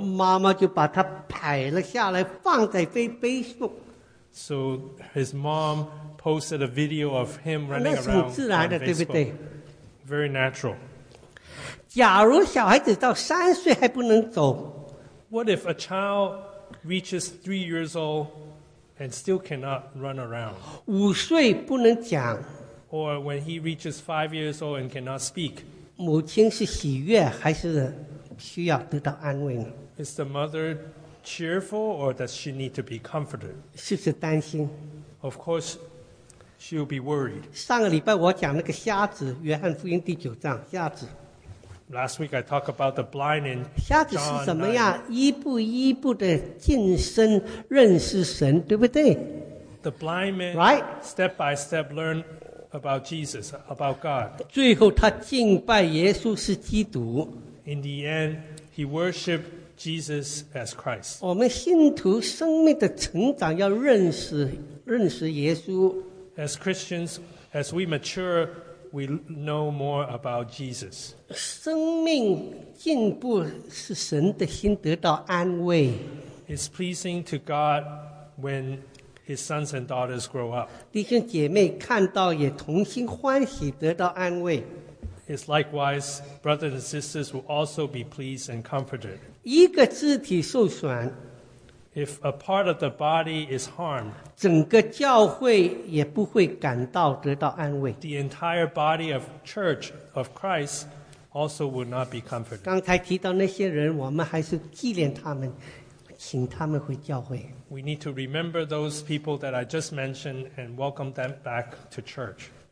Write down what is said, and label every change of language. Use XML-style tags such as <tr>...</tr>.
<zh>妈妈就把他拍了下来,放在Facebook。</zh> <en>So his mom posted a video of him running around</en> <zh>那是很自然的,</zh> <en>on Facebook.</en> <zh>对不对?</zh> <en>Very natural.</en> <zh>假如小孩子到三岁还不能走,</zh> <en>what if a child reaches 3 years old and still cannot run around?</en> <zh>五岁不能讲,</zh> <en>or when he reaches 5 years old and cannot speak?</en> <zh>母亲是喜悦还是 需要得到安慰呢?</zh> <en>Is the mother cheerful or does she need to be comforted?</en> <zh>是不是担心?</zh> <en>Of course, she will be worried.</en> <zh>上个礼拜我讲那个瞎子, 约翰福音第九章, 瞎子。</zh> <en>Last week I talked about the blind in John 9.</en> <zh>瞎子是怎么样, 一步一步的晋升, 认识神, 对不对?</zh> <en>The blind man, right? Step by step, learn about Jesus, about God.</en> <zh>最后他敬拜耶稣是基督。</zh> <en>In the end, he worshiped Jesus as Christ.</en> <zh>我们信徒生命的成长要认识耶稣。</zh> <en>As Christians, as we mature, we know more about Jesus.</en> <zh>生命进步是神的心得到安慰。</zh> <en>It's pleasing to God when his sons and daughters grow up.</en> <zh>弟兄姐妹看到也同心欢喜得到安慰。</zh> <en>It's likewise, brothers and sisters will also be pleased and comforted.</en> <zh>一个肢体受损,</zh> <en>if a part of the body is harmed,</en> <zh>整个教会也不会感到得到安慰。</zh> <en>The entire body of church of Christ also will not be comforted.</en> <zh>刚才提到那些人, 我们还是纪念他们, 请他们回教会。</zh> <en>We need to remember those people that I just mentioned and welcome them back to church.</en>